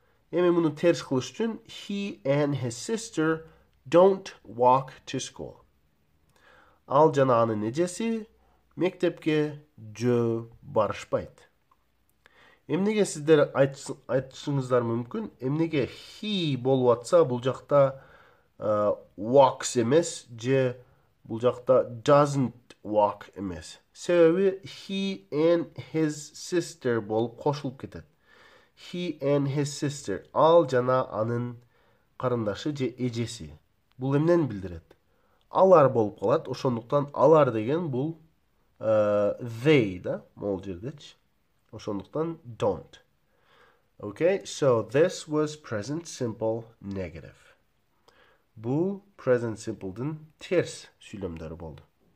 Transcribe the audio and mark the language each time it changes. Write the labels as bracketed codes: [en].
[ky] Эми муну терс кылыш үчүн [en] he and his sister don't walk to school. [ky] Ал жана анын эжеси мектепке жөө барышпайт. Эмнеге сиздер айтышыңыздар мүмкүн? Эмнеге he болуп атса бул жакта walks эмес же бул жакта doesn't walk эмес? Себеби he and his sister болуп кошулуп кетет. [en] He and his sister. [ky] Ал жана анын карындашы же эжеси. Бул эмнен билдирет? Алар болуп калат. Ошондуктан алар деген бул they да мол жердечи. Ошондуктан don't. [en] Okay, so this was present simple negative. [ky] Бул present simple'дин терс сүйлөмдөрү болду.